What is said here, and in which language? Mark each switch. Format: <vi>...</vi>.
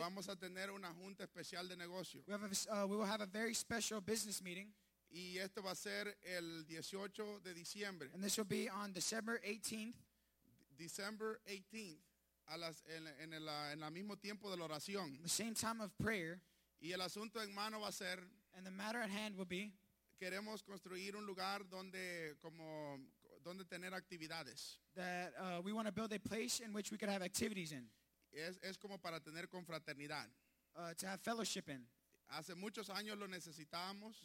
<es>Vamos a tener una junta especial de negocio.</es> <en>We will have a very special business meeting.</en> <es>Y esto va a ser el 18 de diciembre.</es> <en>And this will be on December 18th. December 18th.</en> <es>En el mismo tiempo de la oración.</es> <en>The same time of prayer.</en> <es>Y el asunto en mano va a ser.</es> <en>And the matter at hand will be.</en> <es>Queremos construir un lugar donde tener actividades.</es> <en>That we want to build a place in which we could have activities in.</en> <es>Es como para tener confraternidad.</es> <en>To have fellowship in.</en> <es>Hace muchos años lo necesitábamos.</es>